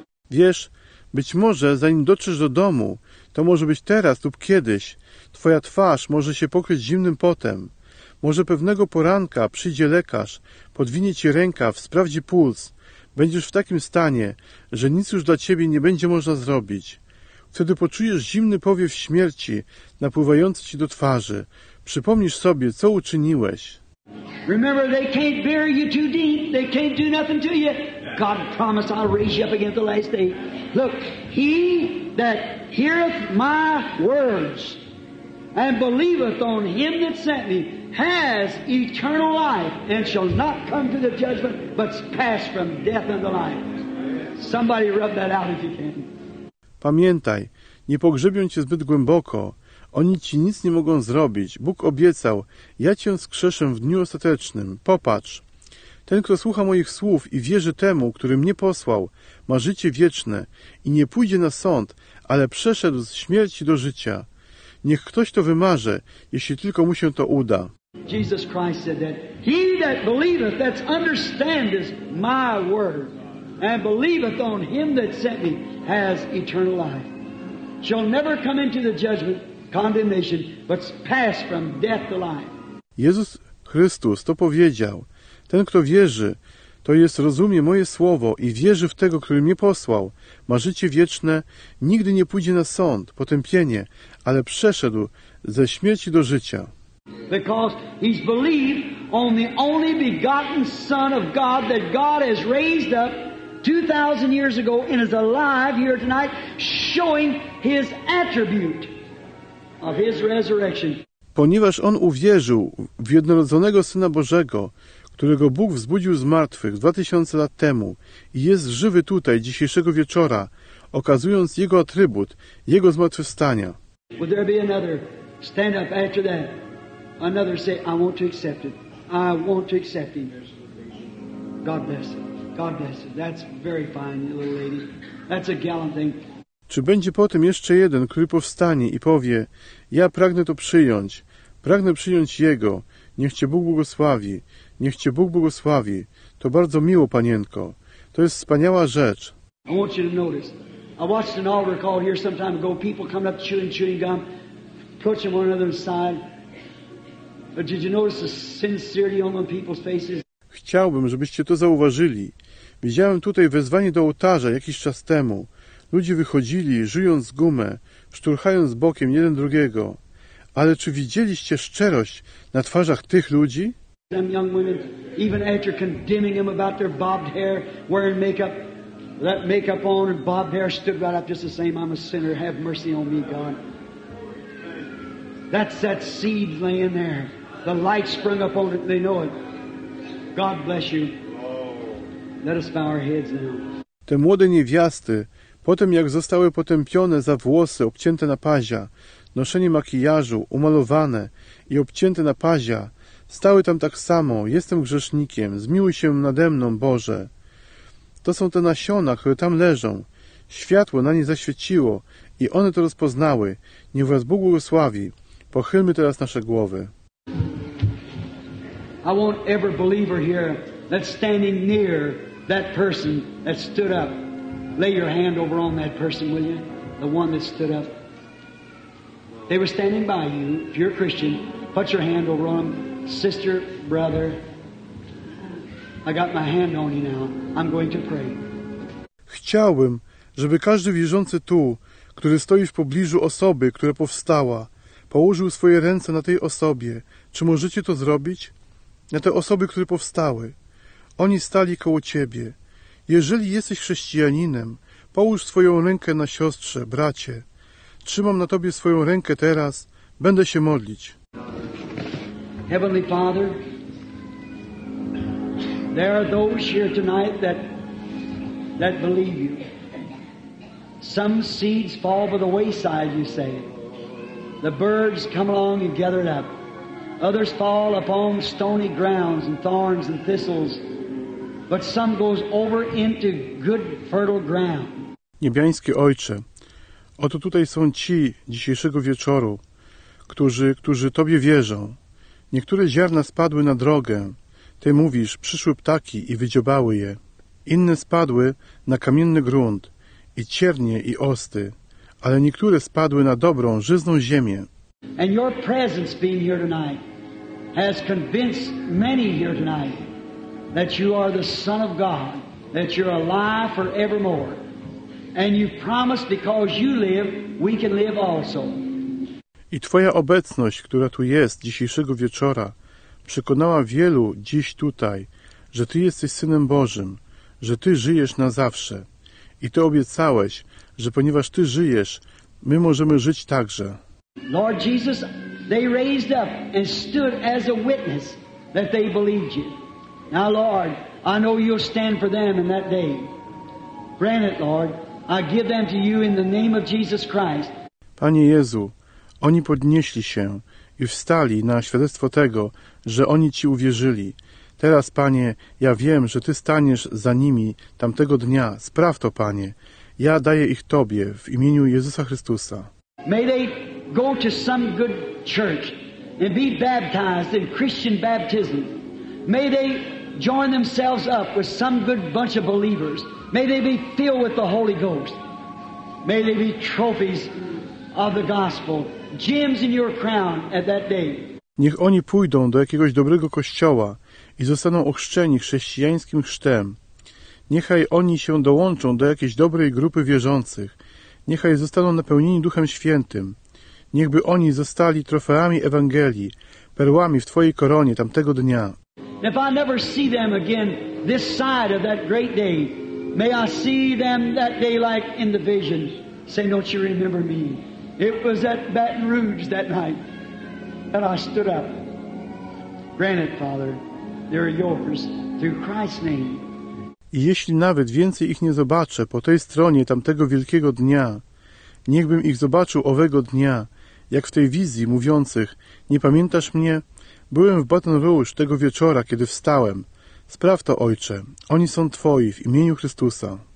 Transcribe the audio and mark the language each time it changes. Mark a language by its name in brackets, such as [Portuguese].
[Polish] Wiesz, być może zanim dotrzesz do domu, to może być teraz lub kiedyś, twoja twarz może się pokryć zimnym potem. Może pewnego poranka przyjdzie lekarz, podwinie ci rękaw, sprawdzi puls. Będziesz w takim stanie, że nic już dla ciebie nie będzie można zrobić. Wtedy poczujesz zimny powiew śmierci napływający ci do twarzy. Przypomnisz sobie, co uczyniłeś. [English] Remember, they can't bury you too deep. They can't do nothing to you. God promised I'll raise you up again the last day. Look, he that heareth my words and believeth on him that sent me has eternal life and shall not come to the judgment, but pass from death unto life. Somebody rub that out if you can. [Polish] Pamiętaj, nie pogrzebią cię zbyt głęboko. Oni ci nic nie mogą zrobić. Bóg obiecał, ja cię wskrzeszę w dniu ostatecznym. Popatrz, ten, kto słucha moich słów i wierzy temu, który mnie posłał, ma życie wieczne i nie pójdzie na sąd, ale przeszedł z śmierci do życia. Niech ktoś to wymarzy, jeśli tylko mu się to uda. [English] Jesus Christ said that he that believeth, that understandeth my word, and believeth on him that sent me, has eternal life. Shall never come into the judgment, condemnation, but pass from death to life. [Polish] Jezus Chrystus to powiedział. Ten, kto wierzy, to jest rozumie moje słowo i wierzy w tego, który mnie posłał, ma życie wieczne, nigdy nie pójdzie na sąd, potępienie, ale przeszedł ze śmierci do życia. [English] Because he's believed on the only begotten Son of God that God has raised up 2,000 years ago and is alive here tonight, showing his attribute of his resurrection. [Polish] Ponieważ on uwierzył w jednorodzonego Syna Bożego, którego Bóg wzbudził z martwych 2000 lat temu i jest żywy tutaj dzisiejszego wieczora, okazując jego atrybut, jego zmartwychwstania. [English] Would there be another stand up after that? Another say, I want to accept it. I want to accept him. God bless it. God bless it. That's very fine, little lady. That's a gallant thing. [Polish] Czy będzie potem jeszcze jeden, który powstanie i powie, ja pragnę to przyjąć. Pragnę przyjąć jego. Niech cię Bóg błogosławi. Niech cię Bóg błogosławi. To bardzo miło, panienko. To jest wspaniała rzecz. [English] I want you to notice. I watched an altar call here some time ago. People coming up chewing, chewing gum, approaching one another inside. But did you notice the sincerity on the people's faces? [Polish] Chciałbym, żebyście to zauważyli. Widziałem tutaj wezwanie do ołtarza jakiś czas temu. Ludzie wychodzili, żując gumę, szturchając bokiem jeden drugiego. Ale czy widzieliście szczerość na twarzach tych ludzi? [English] Them young women, even after condemning them about their bobbed hair, wearing makeup, that makeup on and bobbed hair, stood right up just the same. I'm a sinner. Have mercy on me, God. That's that seed laying there. The light sprung up on it. They know it. God bless you. Let us bow our heads now. [Polish] Te młode niewiasty, potem jak zostały potępione za włosy obcięte na pazia, noszenie makijażu, umalowane i obcięte na pazia, stały tam tak samo, jestem grzesznikiem, zmiłuj się nade mną, Boże. To są te nasiona, które tam leżą. Światło na nie zaświeciło i one to rozpoznały. Niech was Bóg błogosławi. Pochylmy teraz nasze głowy. [English] I want every believer here that's standing near that person that stood up. Lay your hand over on that person, will you? The one that stood up. They were standing by you. If you're a Christian, put your hand over on them. Sister, brother, I got my hand on you now. I'm going to pray. [Polish] Chciałbym, żeby każdy wierzący tu, który stoi w pobliżu osoby, która powstała, położył swoje ręce na tej osobie. Czy możecie to zrobić? Na te osoby, które powstały. Oni stali koło ciebie. Jeżeli jesteś chrześcijaninem, połóż swoją rękę na siostrze, bracie. Trzymam na tobie swoją rękę teraz. Będę się modlić. [English] Heavenly Father, there are those here tonight that believe you. Some seeds fall by the wayside, you say. The birds come along and gather it up. Others fall upon stony grounds and thorns and thistles. But some goes over into good, fertile ground. [Polish] Niebiański Ojcze, oto tutaj są ci dzisiejszego wieczoru, którzy Tobie wierzą. Niektóre ziarna spadły na drogę. Ty mówisz, przyszły ptaki i wydziobały je. Inne spadły na kamienny grunt i ciernie i osty, ale niektóre spadły na dobrą, żyzną ziemię. [English] And your presence being here tonight has convinced many here tonight that you are the Son of God, that you're alive forevermore. And you promise because you live, we can live also. [Polish] I Twoja obecność, która tu jest dzisiejszego wieczora, przekonała wielu dziś tutaj, że Ty jesteś Synem Bożym, że Ty żyjesz na zawsze. I Ty obiecałeś, że ponieważ Ty żyjesz, my możemy żyć także. [English] Lord Jesus, they raised up and stood as a witness that they believed you. Now, Lord, I know you'll stand for them in that day. Grant it, Lord. I give them to you in the name of Jesus Christ. [Polish] Panie Jezu, oni podnieśli się i wstali na świadectwo tego, że oni Ci uwierzyli. Teraz, Panie, ja wiem, że Ty staniesz za nimi tamtego dnia. Spraw to, Panie. Ja daję ich Tobie w imieniu Jezusa Chrystusa. [English] May they go to some good church and be baptized in Christian baptism. May they join themselves up with some good bunch of believers. May they be filled with the Holy Ghost. May they be trophies of the gospel. Gems in your crown at that day. [Polish] Niech oni pójdą do jakiegoś dobrego kościoła i zostaną ochrzczeni chrześcijańskim chrztem. Niechaj oni się dołączą do jakiejś dobrej grupy wierzących. Niechaj zostaną napełnieni Duchem Świętym. Niechby oni zostali trofeami Ewangelii, perłami w Twojej koronie tamtego dnia. [English] If I never see them again this side of that great day, may I see them that day like in the vision. Say, don't you remember me? It was at Baton Rouge that night that I stood up. Grant it, Father. They're yours through Christ's name. [Polish] I jeśli nawet więcej ich nie zobaczę po tej stronie tamtego wielkiego dnia, niechbym ich zobaczył owego dnia, jak w tej wizji mówiących, nie pamiętasz mnie? Byłem w Baton Rouge tego wieczora, kiedy wstałem. Spraw to, Ojcze. Oni są Twoi w imieniu Chrystusa.